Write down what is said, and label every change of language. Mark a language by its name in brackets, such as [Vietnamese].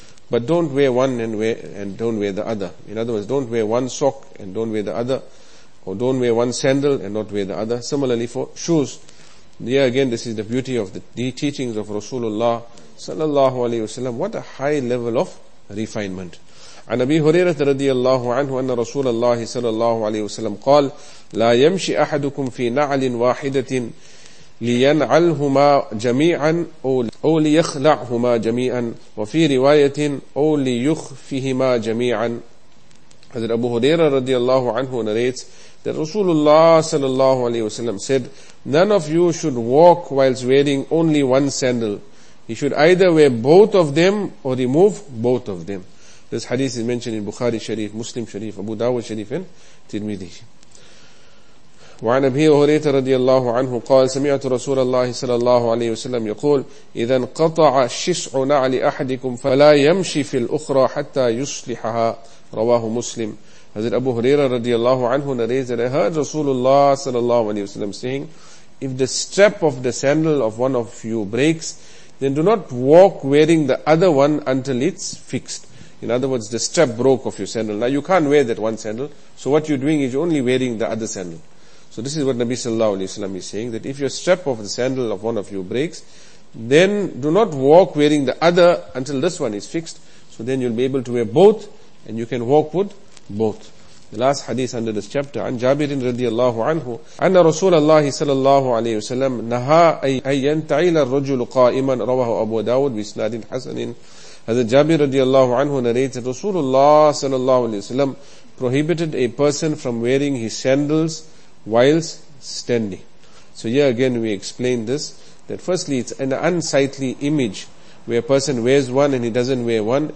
[English] But don't wear one and don't wear the other. In other words, don't wear one sock and don't wear the other, or don't wear one sandal and not wear the other. Similarly for shoes. Here again, this is the beauty of the teachings of Rasulullah sallallahu alayhi wa sallam. What a high level of refinement. [Arabic] عن أبي هريرة رضي الله عنه أن رسول الله صلى الله عليه وسلم قال لا يمشي أحدكم في نعل واحدة لينعلهما جميعا أو ليخلعهما جميعا وفي رواية أو ليخفهما جميعا. [English] حضرت أبو هريرة رضي الله عنه narrates that Rasulullah صلى الله عليه وسلم said, none of you should walk whilst wearing only one sandal. You should either wear both of them or remove both of them. This hadith is mentioned in Bukhari Sharif, Muslim Sharif, Abu Dawud Sharif, and Tirmidhi. [Arabic] وعن أبي هريرة رضي الله عنه قال سمعت رسول الله صلى الله عليه وسلم يقول إذا انقطع شسع نعل أحدكم فلا يمشي في الأخرى حتى يصلحها. رواه مسلم. [English] حضرت أبو هريرة رضي الله عنه narrated that I heard Rasulullah صلى الله عليه وسلم saying, if the strap of the sandal of one of you breaks, then do not walk wearing the other one until it's fixed. In other words, the strap broke of your sandal. Now you can't wear that one sandal. So what you're doing is you're only wearing the other sandal. So this is what Nabi sallallahu alayhi wa sallam is saying, that if your strap of the sandal of one of you breaks, then do not walk wearing the other until this one is fixed. So then you'll be able to wear both and you can walk with both. The last hadith under this chapter, [Arabic] عن جابر رضي الله عنه أن رسول الله صلى الله عليه وسلم نهى أن ينتعل الرجل قائما. رواه أبو داود بإسناد حسن. [English] Hazrat Jabir radiallahu anhu narrates that Rasulullah sallallahu alayhi wa sallam prohibited a person from wearing his sandals whilst standing. So here again we explain this, that firstly it's an unsightly image where a person wears one and he doesn't wear one.